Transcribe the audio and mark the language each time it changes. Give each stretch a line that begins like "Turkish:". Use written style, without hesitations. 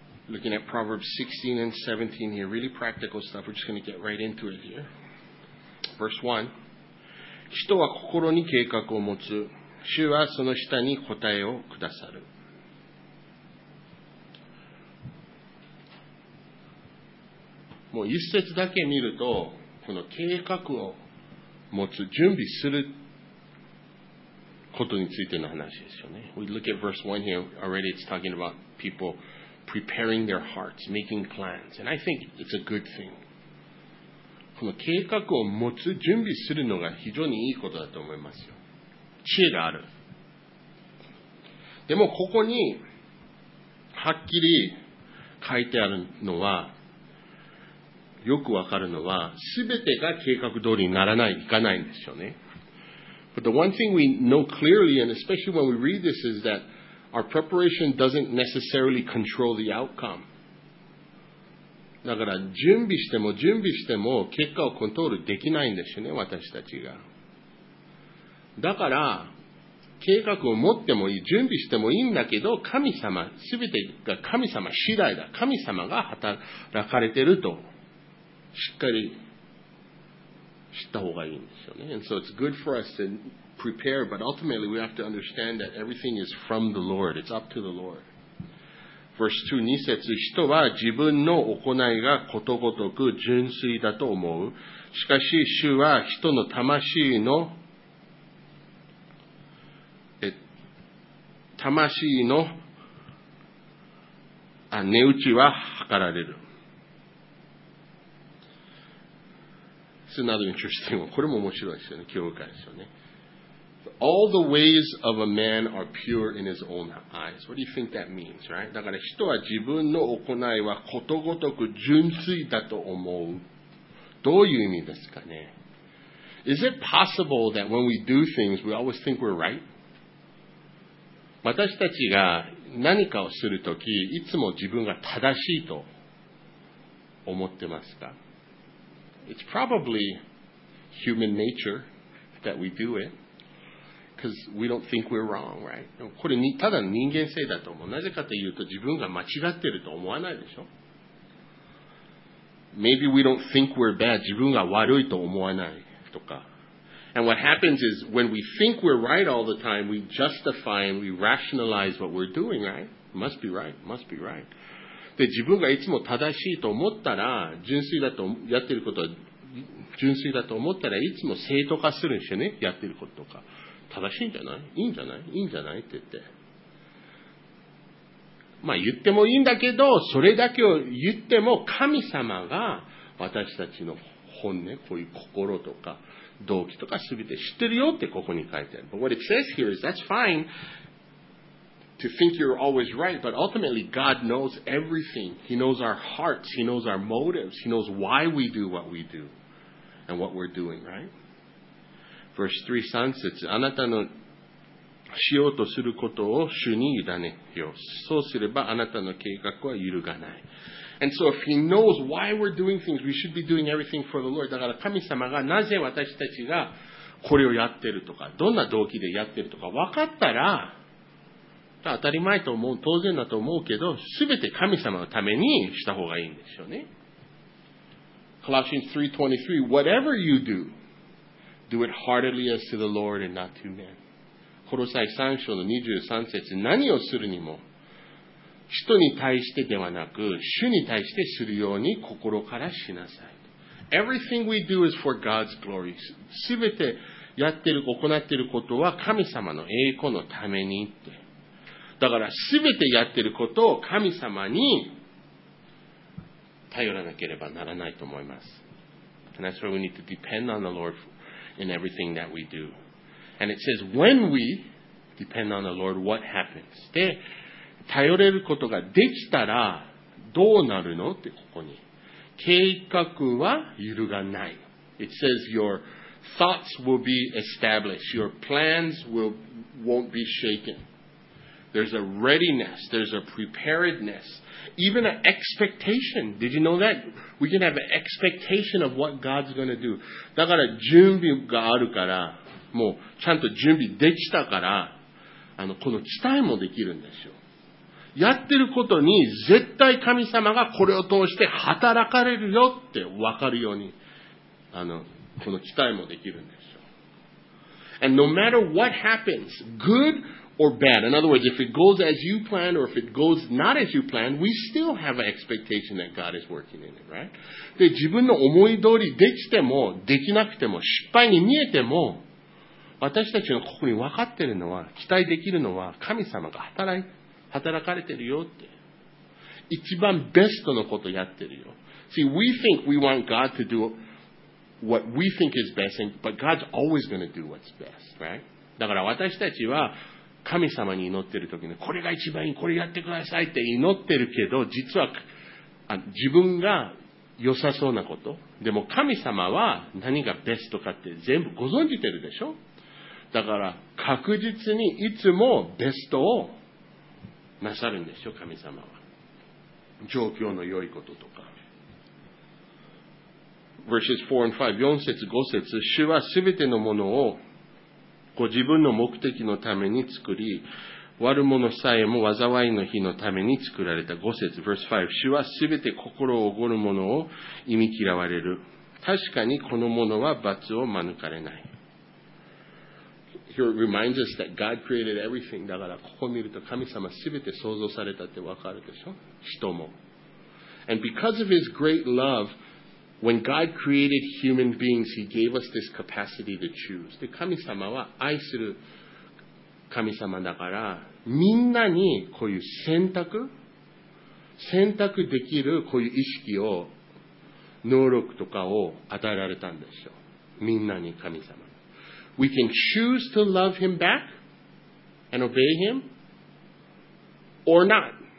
English: Looking at Proverbs 16 and 17 here, really practical stuff. We're just going to get right into it here. Verse 1.
Japanese: 人は心に計画を持つ。主はその下に答えをくださる。もう一節だけ見ると、この計画を持つ、準備することについての話ですよね。
English: We look at verse 1 here. Already it's talking about people... preparing their hearts, making plans. And I think it's a good thing.
Japanese: この計画を持つ、準備するのが非常にいいことだと思いますよ。知恵がある。でもここにはっきり書いてあるのは、よくわかるのは、すべてが計画通りにならない、いかないんですよね。
English: But the one thing we know clearly, and especially when we read this, is thatOur preparation doesn't necessarily control the outcome.
Japanese: だから準備しても準備しても結果をコントロールできないんですよね、私たちが。だから計画を持ってもいい、準備してもいいんだけど、神様、すべてが神様次第だ。神様が働かれてるとしっかり知った方がいいんですよね。
English: And so it's good for us to prepare, but ultimately we have to understand that everything is from the Lord. It's up to the Lord. Verse 2,
Japanese: 2節、人は自分の行いがことごとく純粋だと思う。しかし主は人の魂の値打ちは測られる。
English: It's another interesting one.
Japanese: これも面白いですよね。教会ですよね。
English: All the ways of a man are pure in his own eyes. What do you think that means, right?
Japanese: だから人は自分の行いはことごとく純粋だと思う。どういう意味ですかね?
English: Is it possible that when we do things, we always think we're right?
Japanese: 私たちが何かをするとき、いつも自分が正しいと思ってますか?
English: It's probably human nature that we do it. Because we don't think we're wrong, right?
Japanese: これにただ人間性だと思う。なぜかというと自分が間違ってると思わないでしょ。
English: Maybe we don't think we're bad.
Japanese: 自分が悪いと思わないとか。
English: And what happens is when we think we're right all the time, we justify and we rationalize what we're doing, right? Must be right. Must be right.
Japanese: で自分がいつも正しいと思ったら純粋だとやってることは純粋だと思ったらいつも正当化するんですよね。やってることとか。正しいんじゃない?いいんじゃない?いいんじゃない?って言って。まあ言ってもいいんだけど、それだけを言っても神様が私たちの本音、こういう心とか動機とか全て知ってるよってここに書いてある。
English: But what it says here is that's fine to think you're always right, but ultimately God knows everything. He knows our hearts, He knows our motives, He knows why we do what we do and what we're doing, right? Verse 3,
Japanese: 3節、あなたのしようとすることを主に委ねよ。そうすればあなたの計画は揺るがない。
English: And so if he knows why we're doing things, we should be doing everything for the Lord.
Japanese: だから神様がなぜ私たちがこれをやってるとか、どんな動機でやってるとか分かったら、当たり前と思う、当然だと思うけど、すべて神様のためにした方がいいんですよね。
English: Colossians 3:23, whatever you do,Do it heartily as to the Lord and not to men.
Japanese: コロサイ3章の23節、何をするにも、人に対してではなく、主に対してするように心からしなさい。
English: Everything we do is for God's glory.
Japanese: すべてやってる、行っていることは神様の栄光のためにって。だからすべてやってることを神様に頼らなければならないと思います。
English: And that's why we need to depend on the Lord. In everything that we do. And it says, when we depend on the Lord, what happens?
Japanese: で、頼れることができたらどうなるのってここに。計画は揺るがない。
English: It says your thoughts will be established. Your plans won't be shaken. There's a readiness. There's a preparedness. Even an expectation. Did you know that? We can have an expectation of what God's going to do.
Japanese: だから準備があるから、もうちゃんと準備できたから、この期待もできるんですよ。やってることに絶対神様がこれを通して働かれるよって分かるように、この期待もできるんですよ。
English: And no matter what happens, good or bad, in other words, if it goes as you planned or if it goes not as you planned, we still have an expectation that God is working in it, right?
Japanese: で、自分の思い通りできても、できなくても、失敗に見えても、私たちのここに分かってるのは、期待できるのは、神様が働かれてるよって。一番ベストのことやってるよ。
English: See, we think we want God to do what we think is best, but God's always going to do what's best, right?
Japanese: だから私たちは神様に祈ってる時に、これが一番いい、これやってくださいって祈ってるけど、実は自分が良さそうなこと。でも神様は何がベストかって全部ご存じてるでしょ？だから確実にいつもベストをなさるんでしょ、神様は。状況の良いこととか。
English: Verses 4 and 5,
Japanese: 4節5節、主はすべてのものをご自分の目的のために作り、悪者さえも災いの日のために作られた。 5節、
English: verse 5、
Japanese: 主はすべて心をおごる者を忌み嫌われる。確かにこの者は罰を免れない。
English: Here it reminds us that God created everything.
Japanese: だからここ見ると神様すべて創造されたってわかるでしょ？人も。
English: And because of His great love, when God created human beings, He gave us this capacity to choose.
Japanese: で、神様は愛する神様だから、みんなにこういう選択できるこういう意識を、能力とかを与えられたんでしょ？みんなに神様。
English: We can choose to love him back and obey him or not.